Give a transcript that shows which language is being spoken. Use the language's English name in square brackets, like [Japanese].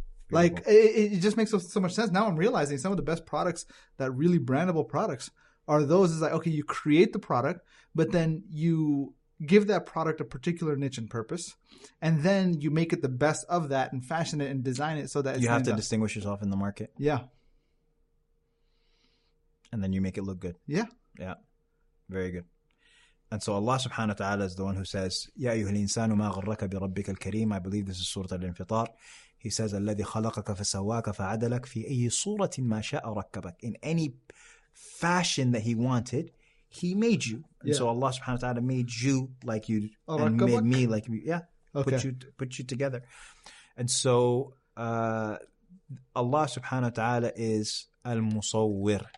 [English] Like it just makes so much sense. Now I'm realizing some of the best products, that really brandable products, are those is like, okay, you create the product, but then you give that product a particular niche and purpose, and then you make it the best of that and fashion it and design it so that it's you have to distinguish yourself in the market. Yeah. And then you make it look good. Yeah. Yeah. Very good. And so Allah subhanahu wa ta'ala is the one who says, [Arabic] يَا أَيُّهَا الْإِنسَانُ مَا غَرَّكَ بِرَبِّكَ الْكَرِيمِ. [English] I believe this is Surah Al-Infitar. He says, [Arabic] الَّذِي خَلَقَكَ فَسَوَّاكَ فَعَدَلَكَ فِي أَيِّ صُورَةٍ مَا شَاءَ رَكَّبَكَ. [English] In any fashion that He wanted, He made you. And so Allah subhanahu wa ta'ala made you like you and made me like you. Yeah. Okay. Put you together. And so Allah subhanahu wa ta'ala is Al-Musawwir.